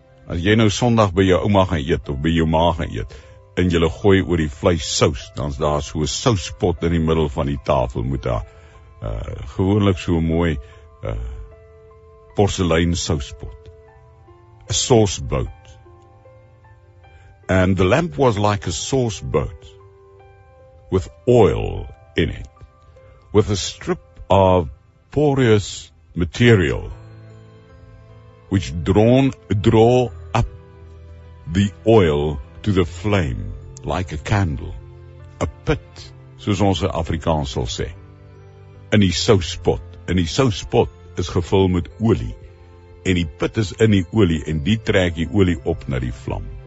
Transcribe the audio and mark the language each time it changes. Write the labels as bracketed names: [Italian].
[Afrikaans] As jy nou sondag by jou ouma gaan eet of by jou ma gaan eet en jy gooi oor die vleis saus, dan is daar so 'n sauce pot in die middel van die tafel moet daar gewoonlik so 'n mooi porselein sauce pot. [English] A sauce boat. And the lamp was like a sauce boat with oil in it, with a strip of porous material which draw up the oil to the flame like a candle, a pit, [Afrikaans] soos ons Afrikaans sal sê, in die souspot. In die souspot is gevul met olie, en die pit is in die olie, en die trek die olie op na die vlam.